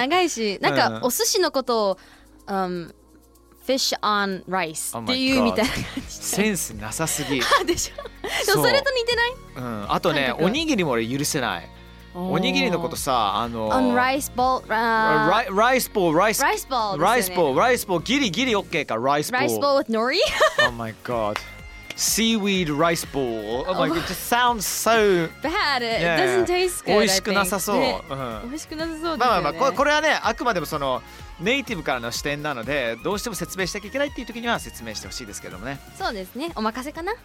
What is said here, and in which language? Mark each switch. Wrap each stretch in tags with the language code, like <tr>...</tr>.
<ja>長いし、なんかお寿司のことを、</ja> <en>Fish on rice</en> <ja>っていうみたいな感じ。センスなさすぎでしょ。そ, それと似てない、うん、あとね、おにぎりも俺許せない。おにぎりのことさ、あの</ja> <en>On rice ball rice ball rice, rice ball、ね、 rice ball rice ball</en> <ja>ギリギリ OK か、</ja> <en>rice ball rice ball with nori Oh my god Seaweed rice ball Oh my god, it just sounds so bad、yeah. It doesn't taste good</en> <ja>美味しくなさそう、ね、うん、美味しくなさそうですよね。まあまあまあ、これはね、あくまでもそのネイティブからの視点なので、どうしても説明したきゃいけないっていう時には説明してほしいですけどもね。そうですね、お任せかな。</ja>